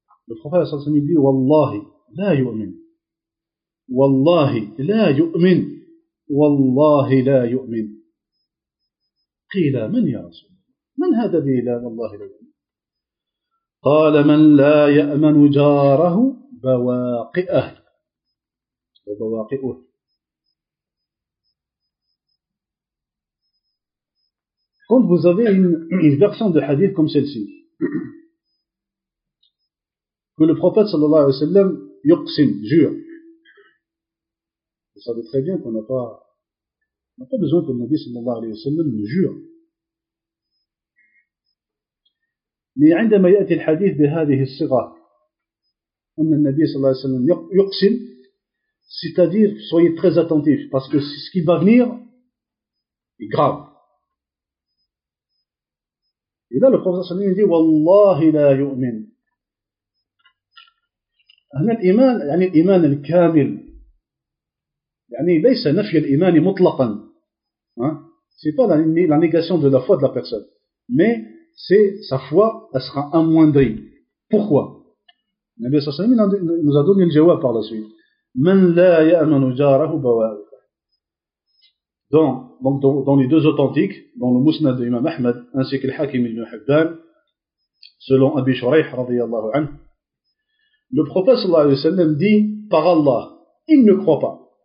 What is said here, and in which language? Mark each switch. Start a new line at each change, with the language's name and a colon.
Arabic: الخفاء صلى الله عليه وسلم والله لا يؤمن والله لا يؤمن والله لا يؤمن قيل من يا رسول من هذا الذي لا والله لا يؤمن؟ قال من لا يأمن جاره بواقئه وبواقئه.
French: Quand vous avez une version de hadith comme celle-ci, que le prophète sallallahu alayhi wa sallam yuqsim, jure, vous savez très bien qu'on n'a pas besoin que le Nabi sallallahu alayhi wa sallam nous jure. Mais
Arabic: عندما يأتي الحديث بهذه الصيغة أن النبي صلى الله عليه وسلم يقسم,
French: c'est-à-dire soyez très attentifs parce que ce qui va venir est grave. Et là le prophète صلى الله عليه وسلم dit
Arabic: والله لا يؤمن. هنا الإيمان يعني الإيمان الكامل يعني ليس نفي الإيمان مطلقا.
French: C'est pas la négation de la foi de la personne, mais c'est sa foi, elle sera amoindrie. Pourquoi? Nabi sallallahu alayhi wa sallam nous a donné le jawab par la suite.
Arabic: Man la ya'manu jarahu bawa'iqah.
French: Dans les deux authentiques, dans le Musnad de Imam Ahmad ainsi que le Hakim ibn Hibban, selon Abi Shuraih radiyallahu anhu, le prophète sallallahu alayhi wa sallam dit par Allah, il ne croit pas.